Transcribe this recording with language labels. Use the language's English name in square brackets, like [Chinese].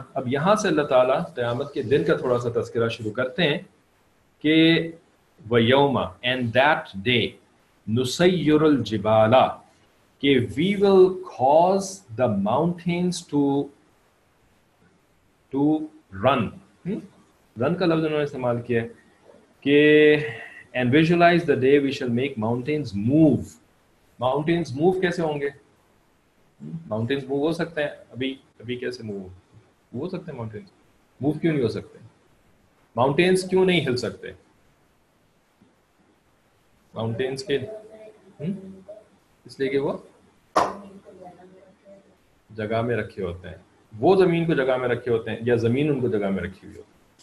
[Urdu] اب یہاں سے اللہ تعالیٰ قیامت کے دن کا تھوڑا سا تذکرہ شروع کرتے ہیں کہ [Arabic] وَيَوْمَ [English] and that day [Arabic] نُسَيِّرُ الْجِبَالَ, [Urdu] کہ [English] we will cause the mountains to run. Run [Urdu] کا لفظ انہوں نے استعمال کیا کہ [English] and visualize the day we shall make mountains move. Mountains move [Urdu] کیسے ہوں گے؟ ماؤنٹینز موو ہو سکتے ہیں, ابھی کیسے موو ہو سکتے ہیں؟ ماؤنٹینز موو کیوں نہیں ہو سکتے؟ ماؤنٹینز کیوں نہیں ہل سکتے؟ ماؤنٹینز کے اس لیے کہ وہ جگہ میں رکھے ہوتے ہیں, وہ زمین کو جگہ میں رکھے ہوتے ہیں, یا زمین ان کو جگہ میں رکھی ہوئی ہوتی ہے,